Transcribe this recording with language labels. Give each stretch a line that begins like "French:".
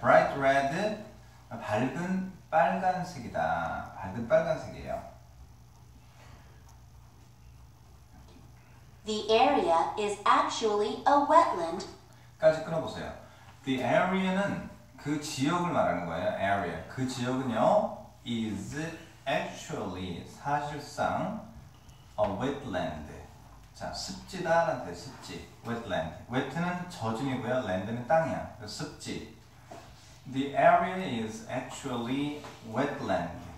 English: Bright red,
Korean: 밝은 빨간색이다. 밝은 빨간색이에요.
English: The area is actually a wetland.
Korean: 까지 끊어보세요. The area는 그 지역을 말하는 거예요.
English: Area.
Korean: 그 지역은요,
English: is actually
Korean: 사실상
English: a wetland.
Korean: 자, 습지다라는 뜻, 습지. wetland. wet는 젖음이고요, land는 땅이야. 습지.
English: The area is actually wetland.